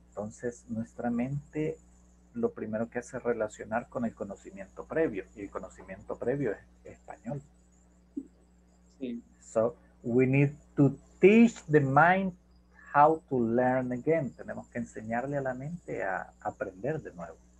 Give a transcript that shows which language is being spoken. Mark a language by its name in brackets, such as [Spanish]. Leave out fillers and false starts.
[Spanish] Entonces, nuestra mente, lo primero que hace es relacionar con el conocimiento previo. Y el conocimiento previo es español. Sí. [English] So, we need to teach the mind how to learn again. [Spanish] Tenemos que enseñarle a la mente a aprender de nuevo.